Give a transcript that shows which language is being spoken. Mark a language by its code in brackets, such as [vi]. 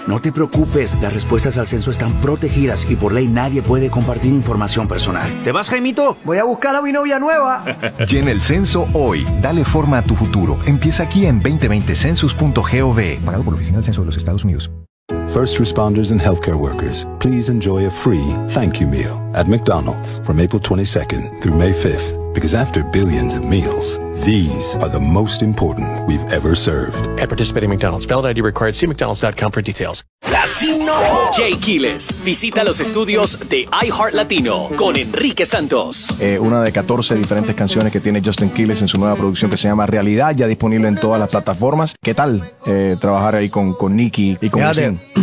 [es] No te preocupes, las respuestas al censo están protegidas y por ley nadie puede compartir información personal. ¿Te vas, Jaimito? Voy a buscar a mi novia nueva. Llena el censo hoy. Dale forma a tu futuro. Empieza aquí en 2020census.gov. Pagado por la Oficina del Censo de los Estados Unidos. [en] First responders and healthcare workers, please enjoy a free thank you meal at McDonald's from April 22nd through May 5th. Because after billions of meals, these are the most important we've ever served. At participating McDonald's, valid ID required. See McDonald's.com for details. [es] Latino Jay Quiles visita los estudios de iHeart Latino con Enrique Santos. Una de 14 diferentes canciones que tiene Justin Quiles en su nueva producción que se llama Realidad, ya disponible en todas las plataformas. ¿Qué tal trabajar ahí con Nicky y con Wisin?